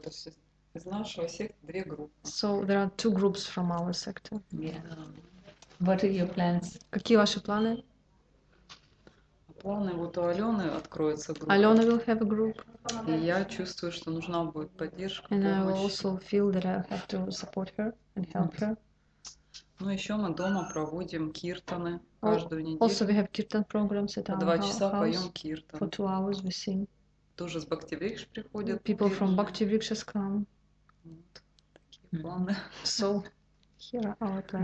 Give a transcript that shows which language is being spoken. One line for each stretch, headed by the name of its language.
Russian: То есть из нашего секта две группы.
English: So there are two groups from our sector. Yeah. What are your plans?
Russian: Какие ваши планы? Планы вот у Алены откроется группа.
English: Алена will have a group.
Russian: И я чувствую, что нужна будет поддержка.
English: And
Russian: помощь.
English: I also feel that I have to support her and help her.
Russian: Ну еще мы дома проводим киртаны каждую неделю.
English: Also we have kirtan programs at our
Russian: Два часа поем киртан.
English: For 2 hours we sing.
Russian: Тоже с Бхактиврикш приходят.
English: People Бхактивриш. From Бхактивриш has come.
Russian: Вот. Такие планы.
English: So here are our plans.